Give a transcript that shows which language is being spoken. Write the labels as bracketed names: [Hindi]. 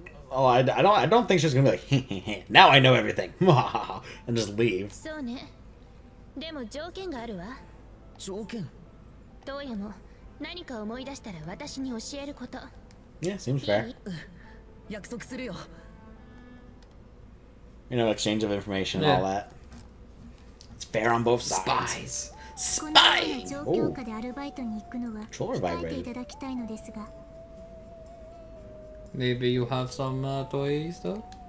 [English] Oh, I don't think she's gonna be like, now I know everything, and just leave. [Japanese] So, ね。でも条件があるわ。条件。どうやも何か思い出したら私に教えること。 [English] Yeah, seems fair. [Japanese] 約束するよ。 [English] You know, exchange of information and all that. It's fair on both sides. Spies. Maybe you have some toys, though?